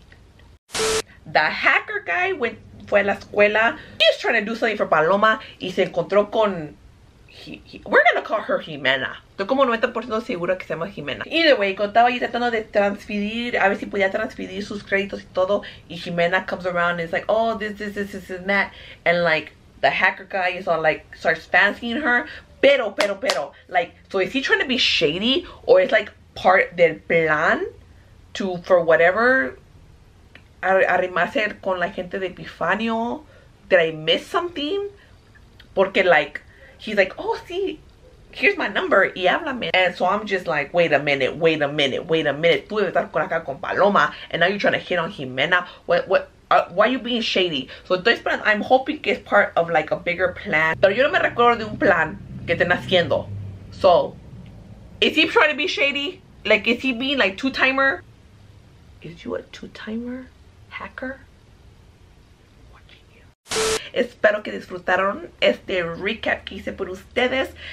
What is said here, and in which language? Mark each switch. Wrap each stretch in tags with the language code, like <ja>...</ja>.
<en>Eddie, is it Jimena? No. The hacker guy</en> <es>fue a la escuela.</es> <en>He's trying to do something for Paloma.</en> <es>Y se encontró con...</es> <en>we're gonna call her Jimena.</en> <es>Estoy como 90% segura que se llama Jimena.</es> <en>Either way,</en> <es>estaba ahí tratando de transferir, a ver si podía transferir sus créditos y todo.</es> <en>Y Jimena comes around and is like, oh, this, and that. And like, the hacker guy is all like, starts fancying her.</en> <es>Pero,</es> <en>like, so is he trying to be shady? Or is like part</en> <es>del plan</es> <en>to, for whatever,</en> <es>arrimarse con la gente de Epifanio?</es> <en>Did I miss something?</en> <es>Porque</es> <en>like, he's like, oh,</en> <es>sí,</es> <en>here's my number,</en> <es>y háblame.</es> <en>And so I'm just like, wait a minute.</en> <es>Tú debes estar con acá con Paloma,</es> <en>and now you're trying to hit on Jimena. Why are you being shady? So I'm hoping it's part of like a bigger plan.</en> <es>Pero yo no me recuerdo de un plan que estén haciendo.</es> <en>So, is he trying to be shady? Like, is he being like two-timer? Is you a two-timer hacker?</en> <es>Espero que disfrutaron este recap que hice por ustedes.</es>